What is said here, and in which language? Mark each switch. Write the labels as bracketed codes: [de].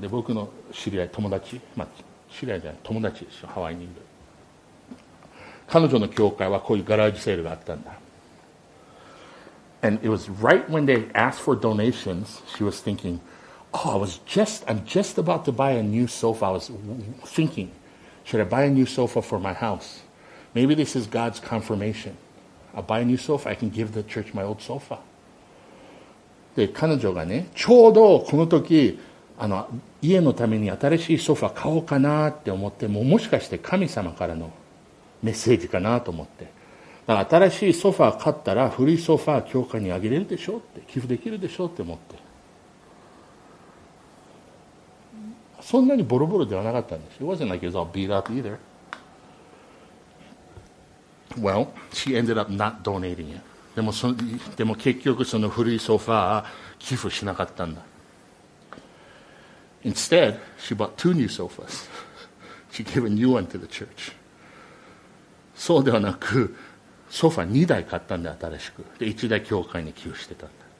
[ja] で、僕の知り合い、友達、まあ、知り合いじゃない、友達でしょ、ハワイにいる。彼女の教会はこういうガラージセールがあったんだ。 [en] And it was right when they asked for donations, she was thinking, oh, I'm just about to buy a new sofa. I was thinking,Should I buy a new sofa for my house? Maybe this is God's confirmation. I'll buy a new sofa. I can give the church my old sofa. [ja] で、彼女がね、ちょうどこの時、家のために新しいソファ買おうかなって思って、もうもしかして神様からのメッセージかなと思って。だから新しいソファ買ったら、古いソファ教会にあげれるでしょって、寄付できるでしょって思って。そんなにボロボロではなかったんです。 [en] It wasn't like it was all beat up either. Well, she ended up not donating it. [ja] でも結局その古いソファー寄付しなかったんだ。 [en] Instead, she bought two new sofas. She gave a new one to the church. [ja] そうではなく、ソファ2台買ったんだ、新しく。で、1台教会に寄付してたんだ。